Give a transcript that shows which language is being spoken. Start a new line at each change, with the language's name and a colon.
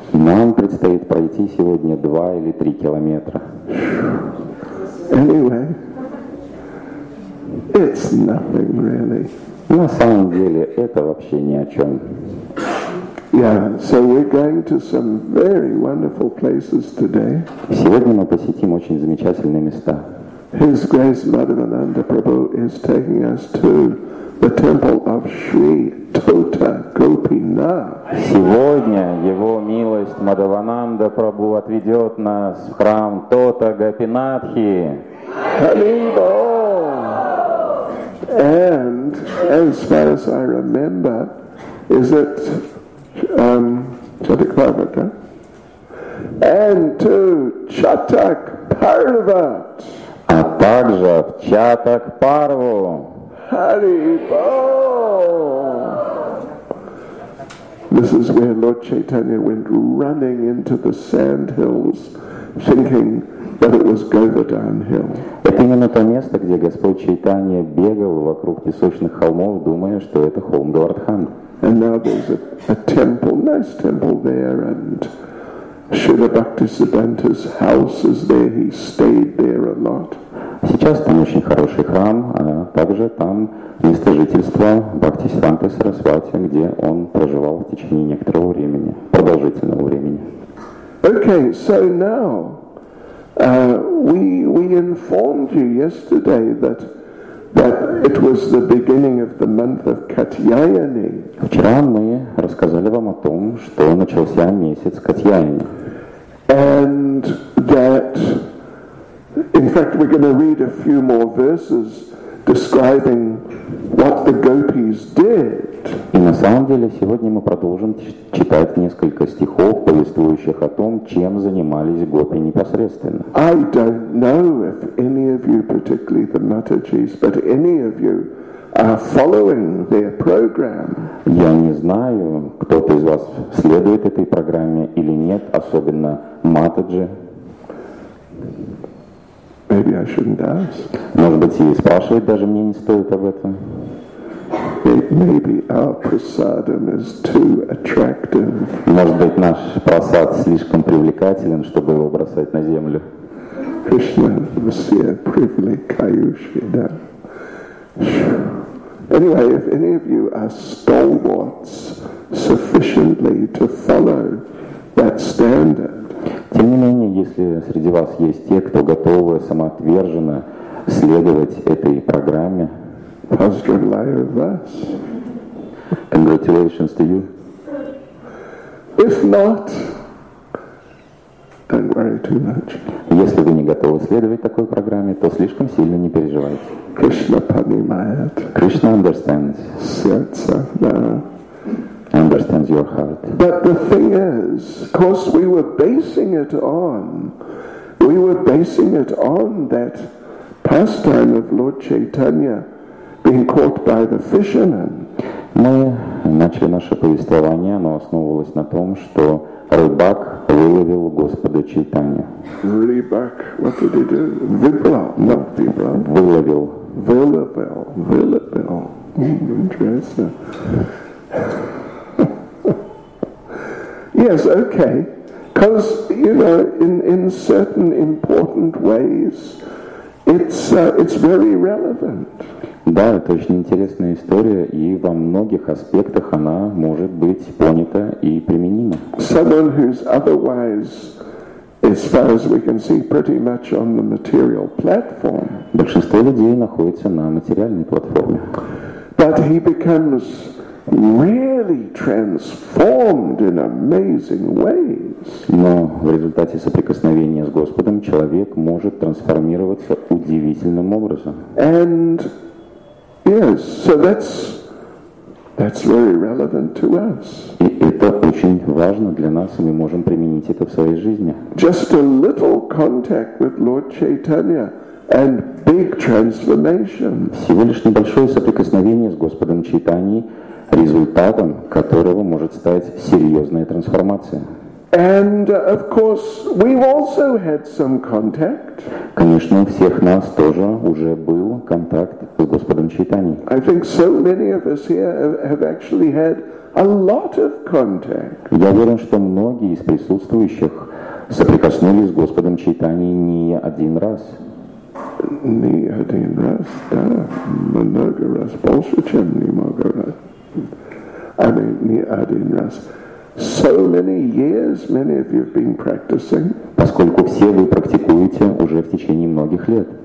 Russian: Нам предстоит пройти сегодня 2 или 3 километра.
English: Anyway, it's nothing really.
Russian: На самом деле, это вообще ни о чем.
English: Yeah, so we're going to some very wonderful places today.
Russian: Сегодня мы посетим очень замечательные места.
English: His Grace Madhavananda Prabhu is taking us to the temple of Sri Tota Gopinath.
Russian: Сегодня его милость Мадхавананда Прабху отведет нас в храм Тота Гопинатхи. Халимбо!
English: And as far as I remember, is it Chatakparvata? And to Chatak Parvat.
Russian: А также в Чатак Парву. Hari Bol.
English: This is where Lord Chaitanya went running into the sand hills, thinking that it was Govardhan Hill.
Russian: Это именно то место, где Господь Чайтанья бегал вокруг песочных холмов, думая, что это холм Говардхан.
English: And now there's a temple, nice temple there, and Śrīla Bhaktisiddhanta's house is there. He stayed there a lot.
Russian: Сейчас там очень хороший храм, а также там место жительства Бхактисиддханты Сарасвати, где он проживал в течение некоторого времени, продолжительного времени.
English: Okay, so now we informed you yesterday that it was the beginning of the month of Katyayani.
Russian: Вчера мы рассказали вам о том, что начался месяц Катьяйани.
English: And that, in fact, we're going to read a few more verses describing what the gopis did.
Russian: И на самом деле сегодня мы продолжим читать несколько стихов, повествующих о том, чем занимались гопи непосредственно.
English: I don't know if any of you, particularly the Natajis, but any of you are following their program.
Russian: Я не знаю, кто-то из вас следует этой программе или нет, особенно Матаджи.
English: Maybe I shouldn't ask.
Russian: Может быть, и спрашивать даже мне не стоит об этом.
English: Maybe our prasadam is too attractive.
Russian: Может быть, наш прасад слишком привлекателен, чтобы его бросать на землю. Кришна, все привлекающие, да.
English: Anyway, if any of you are stalwarts sufficiently to follow that standard.
Russian: Тем не менее, если среди вас есть те, кто готовы самоотверженно следовать этой программе, поздравляю вас.
English: congratulations to you. If not, don't worry too much.
Russian: Если вы не готовы следовать такой программе, то слишком сильно не переживайте. Krishna понимает.
English: Krishna understands.
Russian: Сердце, да.
English: Understands your heart. But the thing is, of course, we were basing it on that pastime of Lord Chaitanya being caught by the fishermen.
Russian: Мы начали наше повествование, оно основывалось на том, что рыбак выловил Господа Чайтанью. Рыбак,
English: what did he do?
Russian: Выловил. Выловил. Выловил. Выловил. Интересно.
English: Yes, okay. Because, you know, in certain important ways, it's very relevant.
Russian: Да, это очень интересная история, и во многих аспектах она может быть понята и применима.
English: Someone who's otherwise, as far as we can see, pretty much on the material platform.
Russian: Большинство людей находится на материальной платформе.
English: But he becomes really transformed in amazing ways.
Russian: Но в результате соприкосновения с Господом человек может трансформироваться удивительным образом.
English: And yes, so that's very relevant to us.
Russian: И это очень важно для нас, и мы можем применить это в своей жизни.
English: Just a little contact with Lord Chaitanya and big transformation.
Russian: Всего лишь небольшое соприкосновение с Господом Чайтаньей, результатом которого может стать серьезная трансформация.
English: And of course, we've also had some contact.
Russian: Конечно, у всех нас тоже уже был контакт с Господом Чайтаньей.
English: I think so many of us here have actually had a lot of contact.
Russian: Я уверен, что многие из присутствующих соприкоснулись с Господом Чайтаньей не один раз. Не один раз, да, много раз, больше, чем немного раз.
English: I mean,
Russian: не один раз.
English: So many years many of you have been practicing.
Russian: Поскольку все вы практикуете уже в течение многих лет.